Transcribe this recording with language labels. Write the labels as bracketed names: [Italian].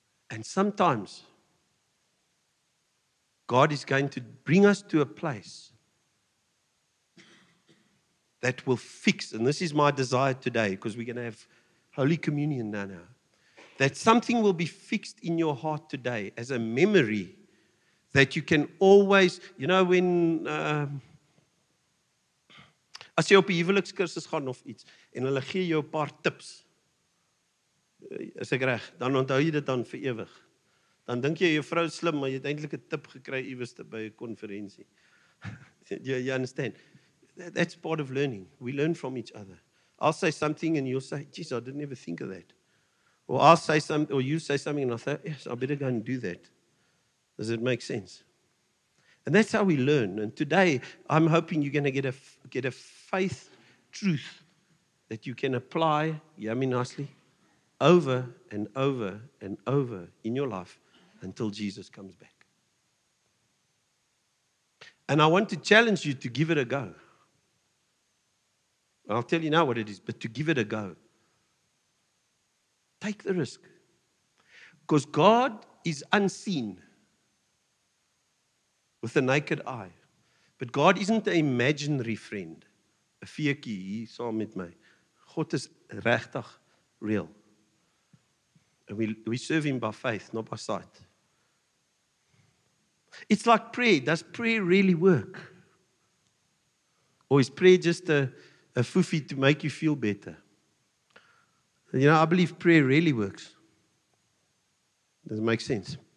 [English] And sometimes, God is going to bring us to a place that will fix, and this is my desire today, because we're going to have Holy Communion now, that something will be fixed in your heart today as a memory that you can always, you know, when [Afrikaans] as jy op die huwelikskursus gaan of iets, en hulle gee jou 'n paar tips, is ek reg, dan onthou jy dit dan vir ewig. Dan dink jy jou vrou is slim, maar jy het eintlik 'n tip gekry iewers te by 'n konferensie. [English] you understand? That's part of learning. We learn from each other. I'll say something and you'll say, geez, I didn't ever think of that. Or I'll say something, or you say something and I'll say, yes, I better go and do that. Does it make sense? And that's how we learn. And today, I'm hoping you're going to get a faith truth that you can apply, yeah, I mean nicely, over and over and over in your life until Jesus comes back. And I want to challenge you to give it a go. I'll tell you now what it is, but to give it a go. Take the risk. Because God is unseen with the naked eye. But God isn't an imaginary friend. [Afrikaans] 'n feekie hier saam met my. God is regtig real. [English] And we serve him by faith, not by sight. It's like prayer. Does prayer really work? Or is prayer just a foofy to make you feel better? You know, I believe prayer really works. Does it make sense?